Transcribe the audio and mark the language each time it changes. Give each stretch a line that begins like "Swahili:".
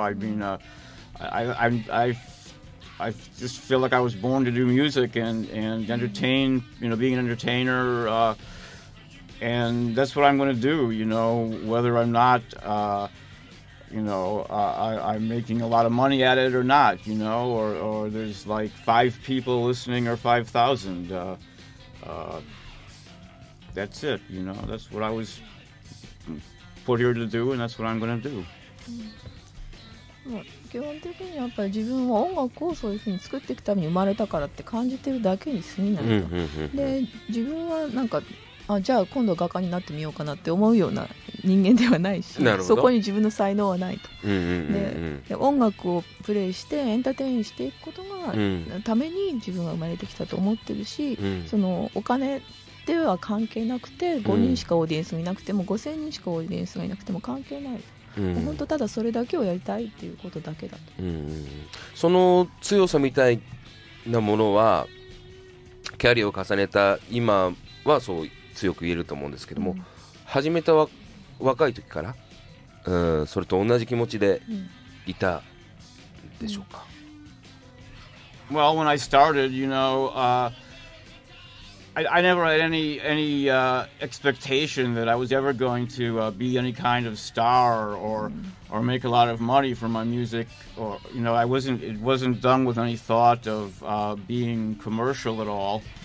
English: I mean, I just feel like I was born to do music and entertain, you know, being an entertainer, and that's what I'm going to do, you know, whether I'm not, you know, I'm making a lot of money at it or not, you know, or there's like five people listening or 5,000. That's it, you know, that's what I was put here to do and that's what I'm going to do.
Japanese: もう基本的にやっぱり自分は音楽をそういう風に作っていくために生まれたからって感じてるだけに過ぎないと。で、自分はなんか、あ、じゃあ今度画家になってみようかなって思うような人間ではないし、そこに自分の才能はないと。で、音楽をプレイしてエンターテインしていくことがために自分は生まれてきたと思ってるし、そのお金では関係なくて、5人しかオーディエンスがいなくても5000人しかオーディエンスがいなくても関係ない。本当ただそれだけをやりたいっていうことだけだと。その強さみたいなものはキャリアを重ねた今はそう強く言えると思うんですけども、うん、始めた若い時から、それと同じ気持ちでいたでしょうか。
English: Well, when I started, you know, I never had any expectation that I was ever going to be any kind of star or make a lot of money from my music, or, you know, it wasn't done with any thought of being commercial at all.